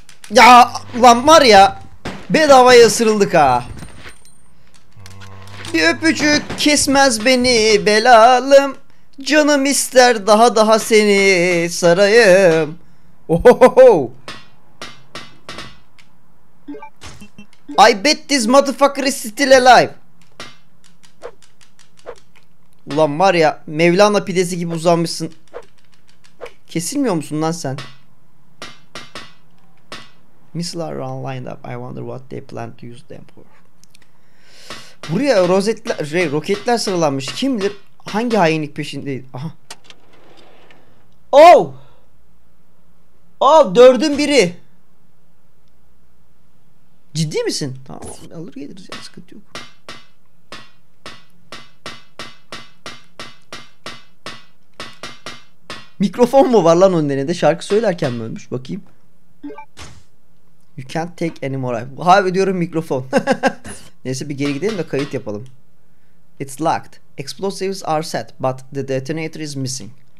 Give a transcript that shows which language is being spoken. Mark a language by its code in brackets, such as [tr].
[tr] Ya lan var ya. Bedavaya ısırıldık ha. Bir öpücük kesmez beni belalım. Canım ister daha daha seni sarayım. Ohoho. [en] I bet this motherfucker is still alive. [tr] Ulan var ya, Mevlana pidesi gibi uzanmışsın. Kesilmiyor musun lan sen? [en] Missiles are lined up. I wonder what they plan to use them for. [tr] Buraya roketler sıralanmış. Kim bilir hangi hainlik peşindeydi? Aha. Oh! Oh, dördün biri. Ciddi misin? Tamam, alır geliriz ya, sıkıntı yok. Mikrofon mu var lan onun elinde? Şarkı söylerken mi ölmüş? Bakayım. [en] You can't take any more. [tr] Harbi diyorum mikrofon. Neyse bir geri gidelim de kayıt yapalım. [en] It's locked. Explosives are set but the detonator is missing.